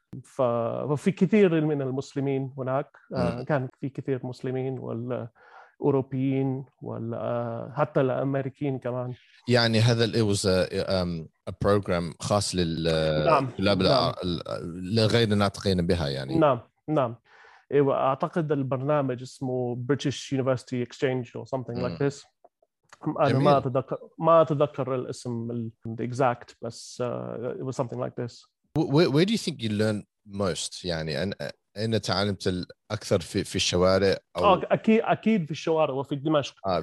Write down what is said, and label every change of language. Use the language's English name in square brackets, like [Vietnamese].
[Arabic] ففي كثير من المسلمين هناك كان في كثير مسلمين والأوروبيين وحتى الأمريكيين كمان يعني هذا [English] it was a program [Arabic] خاص للطلاب لغير الناطقين بها يعني نعم أعتقد البرنامج اسمه [English] British University Exchange or something like this [Arabic] أنا ما أتذكر الاسم [English] the exact بس it was something like this Where do you think you learn most? [Arabic] يعني أين تعلمت الأكثر في الشوارع؟ أكيد في الشوارع وفي دمشق.